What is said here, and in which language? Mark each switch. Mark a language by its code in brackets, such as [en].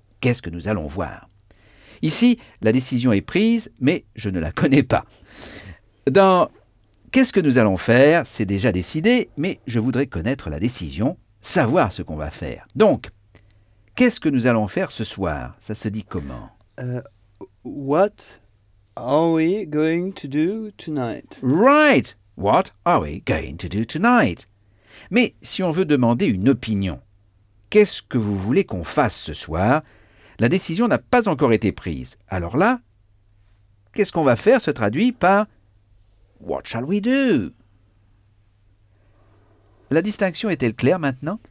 [fr] Qu'est-ce que nous allons voir? Ici, la décision est prise, mais je ne la connais pas. Dans « Qu'est-ce que nous allons faire ?», c'est déjà décidé, mais je voudrais connaître la décision, savoir ce qu'on va faire. Donc, « Qu'est-ce que nous allons faire ce soir ?», ça se dit comment? [en] What are we going to do tonight? Right! What are we going to do tonight? [fr] Mais si on veut demander une opinion, qu'est-ce que vous voulez qu'on fasse ce soir? La décision n'a pas encore été prise. Alors là, qu'est-ce qu'on va faire se traduit par « [en] What shall we do ?» [fr] La distinction est-elle claire maintenant?